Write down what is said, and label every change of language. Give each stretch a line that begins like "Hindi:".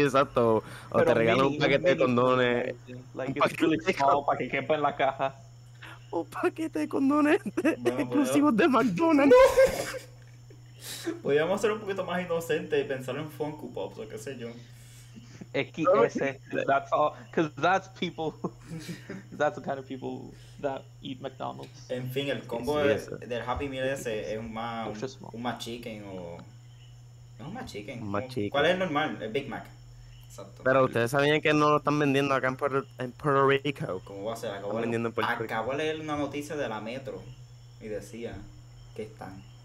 Spanish: exacto. O pero te regalan un paquete de condones.
English: Like, it's really small
Spanish: para que quepa en la caja. Un paquete de condones exclusivos de McDonald's. Podríamos ser un poquito más inocentes y pensar en Funko Pops o qué sé yo.
English: XS, that's all. Because that's people. That's the kind of people that eat McDonald's.
Spanish: En fin, el combo del Happy Meal ese es un más chicken o. No, un más chicken. ¿Cuál es el normal? El Big Mac. Exacto. Pero ustedes sabían que no lo están vendiendo acá en Puerto Rico. ¿Cómo va a ser? Acabo de leer una noticia de la Metro y decía que están.